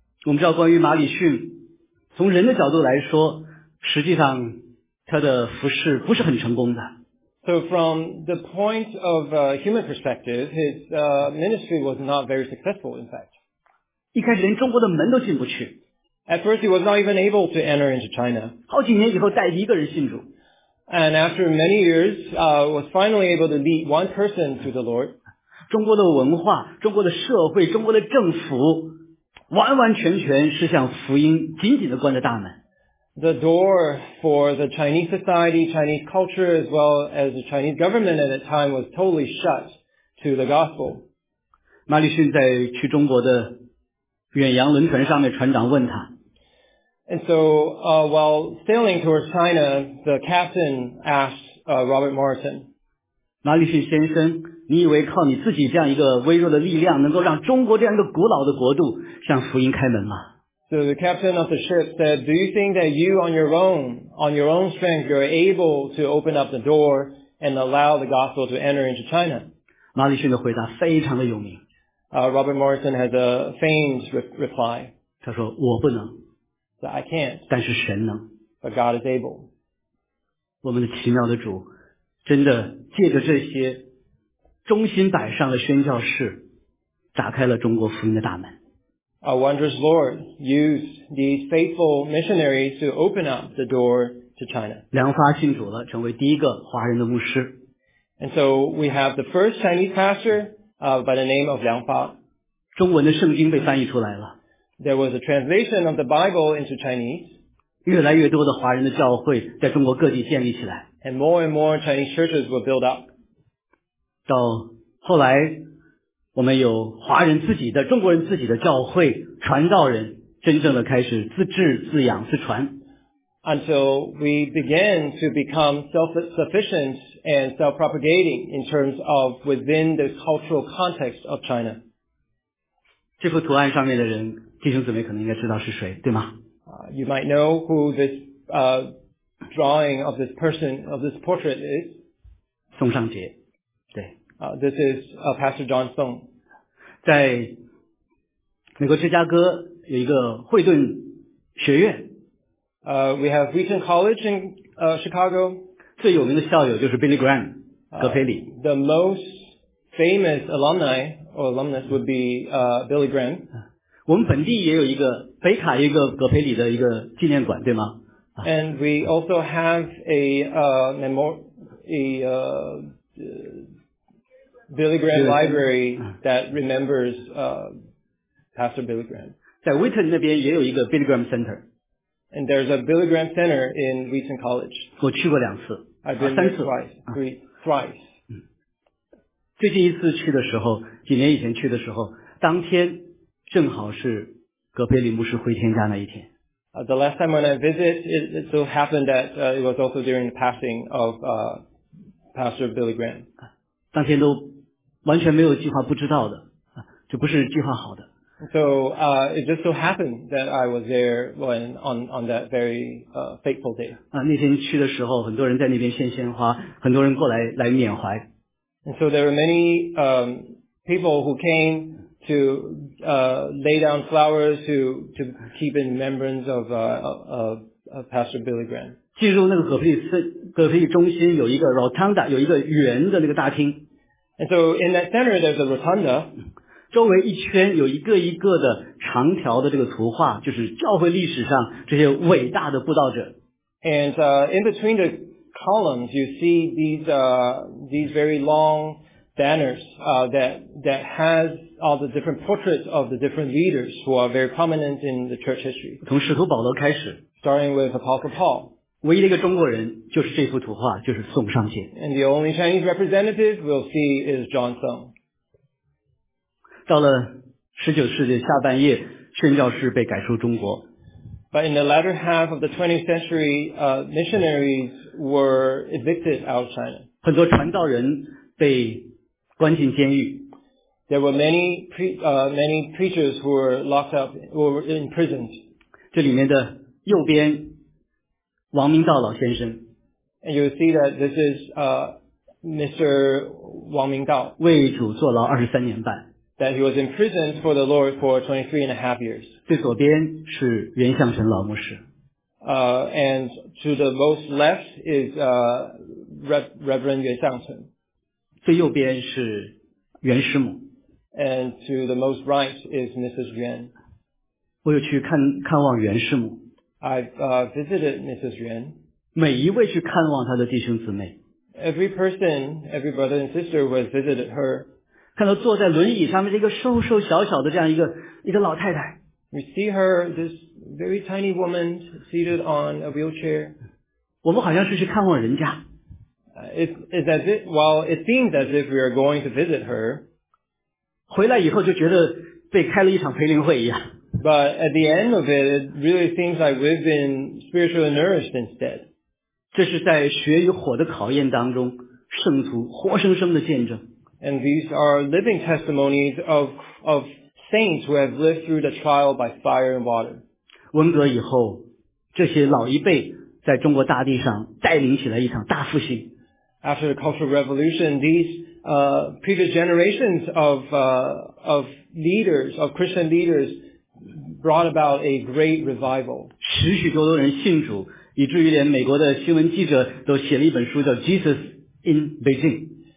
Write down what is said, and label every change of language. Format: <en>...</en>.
<zh>我们知道关于马里逊从人的角度来说实际上他的服侍不是很成功的。</zh> <en>So from the point of a human perspective, his ministry was not very successful, in fact.</en> <zh>一开始连中国的门都进不去。</zh> <en>At first, he was not even able to enter into China.</en> <zh>好几年以后带一个人信主。</zh> <en>And after many years, was finally able to lead one person to the Lord.</en> <zh>中国的文化、中国的社会、中国的政府完完全全是向福音紧紧地关着大门。</zh> <en>The door for the Chinese society, Chinese culture, as well as the Chinese government at that time was totally shut to the gospel.</en> <zh>马里逊在去中国的远洋轮船上面船长问他。</zh> <en>And so, while sailing towards China, the captain asked, Robert Morrison.</en> <zh>马里逊先生，你以为靠你自己这样一个微弱的力量能够让中国这样一个古老的国度向福音开门吗？</zh> <en>So the captain of the ship said, do you think that you on your own strength, you're able to open up the door and allow the gospel to enter into China?</en> <zh>马里逊的回答非常的有名。</zh> <en>Robert Morrison has a famous reply.</en> <zh>他说我不能。</zh> <en>So I can't.</en> <zh>但是神能。</zh> <en>But God is able.</en> <zh>我们的奇妙的主真的借着这些忠心摆上的宣教士打开了中国福音的大门。</zh> <en>Our wondrous Lord used these faithful missionaries to open up the door to China.</en> <zh>梁发信主了，成为第一个华人的牧师。</zh> <en>And so we have the first Chinese pastor, by the name of 梁发。</en> <zh>中文的圣经被翻译出来了。</zh> <en>There was a translation of the Bible into Chinese.</en> <zh>越来越多的华人的教会在中国各地建立起来。</zh> <en>And more and more Chinese churches were built up.</en> <zh>到后来我们有华人自己的中国人自己的教会传道人真正的开始自治自养自传</zh> <en>Until we began to become self-sufficient and self-propagating in terms of within the cultural context of China</en> <zh>这幅图案上面的人弟兄姊妹可能应该知道是谁对吗</zh> <en>You might know who this drawing of this person of this portrait is</en> <zh>宋尚杰对</zh> <en>This is Pastor John Song.</en> <zh>在美国芝加哥有一个惠顿学院。</zh> <en>We have Wheaton College in Chicago.</en> <zh>最有名的校友就是 Billy Graham, 格培里。</zh> <en>The most famous alumni or alumnus would be Billy Graham.</en> <zh>我们本地也有一个北卡一个格培里的一个纪念馆，对吗</zh> <en>？And we also have a Billy Graham Library that remembers Pastor Billy Graham.</en> <zh>在 Wheaton 那边也有一个 Billy Graham Center.</zh> <en>And there's a Billy Graham Center in Wheaton College.</en> <zh>我去过两次。</zh> <en>I've been there thrice.</en> <zh>最近一次去的时候，几年以前去的时候，当天正好是格培里牧师回天家那一天。</zh> <en>The last time when I visited, it so happened that it was also during the passing of Pastor Billy Graham.</en> <zh>当天都完全没有计划不知道的就不是计划好的。</zh> <en>So, it just so happened that I was there when, on that very, fateful day.</en> <zh>那天去的时候很多人在那边献鲜花很多人过来来缅怀。</zh> <en>And so there were many, people who came to, lay down flowers to keep in remembrance of, Pastor Billy Graham.</en> <zh>进入那个葛培里中心有一个 rotunda, 有一个圆的那个大厅。</zh> <en>And so in that center, there's a rotunda.</en> <zh>周围一圈有一个一个的长条的这个图画，就是教会历史上这些伟大的布道者。</zh> <en>And in between the columns, you see these very long banners that has all the different portraits of the different leaders who are very prominent in the church history.</en> <zh>从使徒保罗开始。</zh> <en>Starting with Apostle Paul.</en> <zh>唯一的一个中国人就是这幅图画，就是宋尚宪。</zh> <en>And the only Chinese representative we'll see is John Song.</en> <zh>到了19世纪下半叶，宣教士被赶出中国。</zh> <en>But in the latter half of the 20th century, missionaries were evicted out of China.</en> <zh>很多传道人被关进监狱。</zh> <en>There were many preachers who were locked up, were imprisoned.</en> <zh>这里面的右边，王明道老先生。</zh> <en>And you see that this is Mr. 王明道。</en> <zh>为主坐牢23年半。</zh> <en>That he was imprisoned for the Lord for 23 and a half years.</en> <zh>最左边是袁向成老牧师。</zh> <en>And to the most left is Reverend 袁向成。</en> <zh>最右边是袁师母。</zh> <en>And to the most right is Mrs. Yuan.</en> <zh>我有去看望袁师母。</zh> <en>I've visited Mrs. Yuan.</en> <zh>每一位去看望他的弟兄姊妹。</zh> <en>Every brother and sister who has visited her.</en> <zh>看到坐在轮椅上面这个瘦瘦小小的这样一个老太太。</zh> <en>We see her, this very tiny woman seated on a wheelchair.</en> <zh>我们好像是去看望人家。</zh> <en>It seems as if we are going to visit her.</en> <zh>回来以后就觉得被开了一场培灵会一样。</zh> <en>But at the end of it, it really seems like we've been spiritually nourished instead.</en> <zh>这是在血与火的考验当中，圣徒活生生的见证。</zh> <en>And these are living testimonies of saints who have lived through the trial by fire and water.</en> <zh>文革以后，这些老一辈在中国大地上带领起来一场大复兴。</zh> <en>After the Cultural Revolution, these previous generations of leaders, of Christian leaders, brought about a great revival.</en> <zh>许许多多人信主，以至于连美国的新闻记者都写了一本书叫《Jesus in Beijing》。</zh>